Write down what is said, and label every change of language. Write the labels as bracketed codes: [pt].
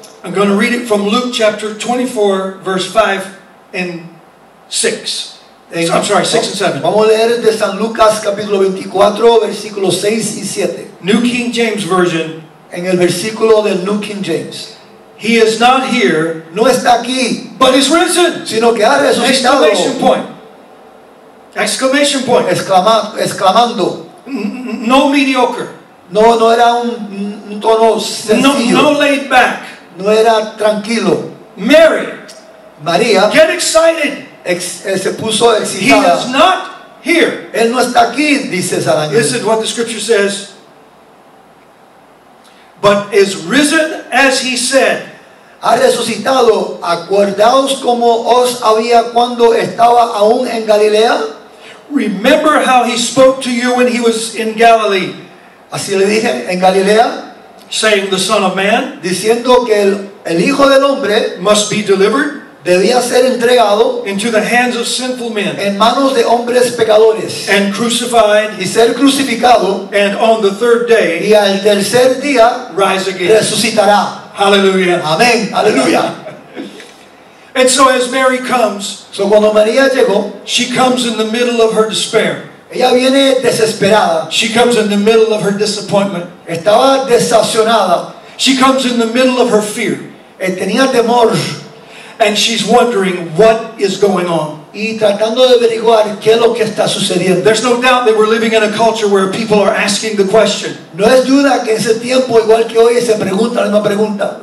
[en] I'm going to read it from Luke chapter 24, verse 5 and 6. I'm sorry, 6 and 7. [es] Vamos a leer de San Lucas capítulo 24, versículos 6 y 7. [en] New King James Version. [es] En el versículo del New King James. [en] He is not here, [es] no está aquí, [en] but is risen, [es] sino que ha resucitado. [en] Exclamation point. Exclamation point. [es] Exclamando. No mediocre. No era un tono sencillo. [en] No laid back. [es] No era tranquilo. [en] Mary. [es] María. [en] Get excited. [es] Se puso excitada. [en] He is not here. [es] Él no está aquí, dice San Ángel. [en] This is what the scripture says. But is risen as he said. [es] Ha resucitado. Acordaos como os había cuando estaba aún en Galilea. [en] Remember how he spoke to you when he was in Galilee. [es] Así le dije en Galilea. [en] Saying the Son of Man. [es] Diciendo que el Hijo del Hombre. [en] Must be delivered. [es] Debía ser entregado. [en] Into the hands of sinful men. [es] En manos de hombres pecadores. [en] And crucified. [es] Y ser crucificado. [en] And on the third day. [es] Y al tercer día. [en] Rise again. [es] Resucitará. [en] Hallelujah. [es] Amén. Hallelujah. [en] And so as Mary comes, [es] so cuando María llegó, [en] she comes in the middle of her despair. [es] Ella viene desesperada. [en] She comes in the middle of her disappointment. [es] Estaba decepcionada. [en] She comes in the middle of her fear. [es] Tenía temor. [en] And she's wondering what is going on. [es] Y tratando de averiguar qué es lo que está sucediendo. [en] There's no doubt that we're living in a culture where people are asking the question. [es] No es duda que ese tiempo igual que hoy se pregunta la misma pregunta.